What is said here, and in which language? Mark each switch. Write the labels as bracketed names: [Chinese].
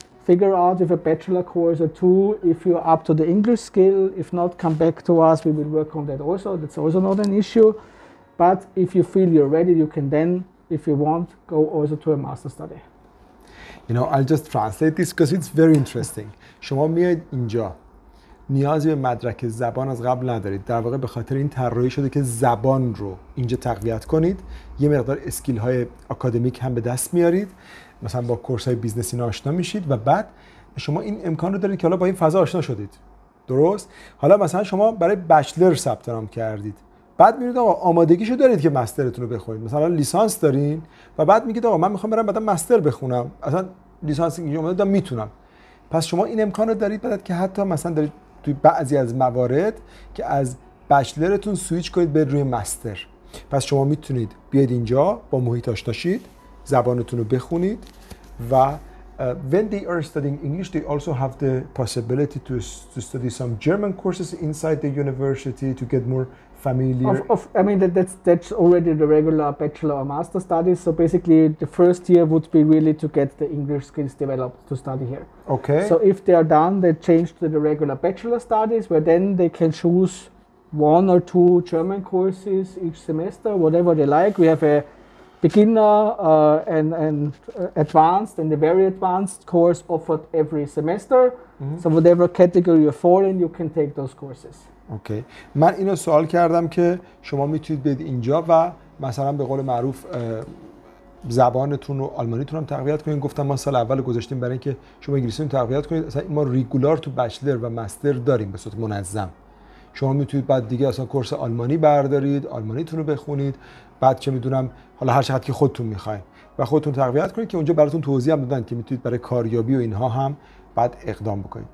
[English] Figure out if a bachelor course or two, if you're up to the English skill, if not, come back to us, we will work on that also, that's also not an issue. But if you feel you're ready, you can then, if you want, go also to a master study. You know, I'll just translate this because it's very interesting. [Persian] شما میاید اینجا. نیازی به مدرک زبان از قبل ندارید. در واقع به خاطر این طراحی شده که زبان رو اینجا تقویت کنید. یه مقدار اسکیل های آکادمیک هم به دست میارید. مثلا با کورس های بیزنسی آشنا میشید و بعد شما این امکان رو دارید که حالا با این فضا آشنا شدید درست؟ حالا مثلا شما برای بچلر ثبت نام کردید بعد میرید آقا آمادگیشو دارید که مسترتون رو بخونید مثلا لیسانس دارین و بعد میگید آقا من میخوام برم بعدا مستر بخونم اصلا لیسانس اینجا اومده دارم میتونم پس شما این امکان رو دارید بعد که حتی مثلا دارید توی بعضی از موارد که از بچلرتون سویچ کنید به روی مستر پس شما میتونید بیاید اینجا با محیط آشنا شید زبانتون رو بخونید و [English] when they are studying English they also have the possibility to study some German courses inside the university to get more familiar that's already the regular bachelor or master studies so basically the first year would be really to get the English skills developed to study here okay so if they are done they change to the regular bachelor studies where then they can choose one or two German courses each semester whatever they like we have a beginner and advanced and the very advanced course offered every semester so whatever category you fall in you can take those courses [Persian] okay من اینو سوال کردم که شما میتونید بید اینجا و مثلا به قول معروف زبانتون و آلمانیتون هم تقویت کنید. گفتم ما سال اول گذاشتیم برای اینکه شما انگلیسیتون تقویت کنید. اصلا ما ریگولار تو بچلر و مستر داریم به صورت منظم. شما میتونید بعد دیگه اصلا کورس آلمانی بردارید، آلمانیتون رو بخونید، بعد چه میدونم حالا هر چقدر که خودتون میخواید و خودتون تقویت کنید، که اونجا براتون توضیح هم دادن که میتونید برای کاریابی و اینها هم بعد اقدام بکنید.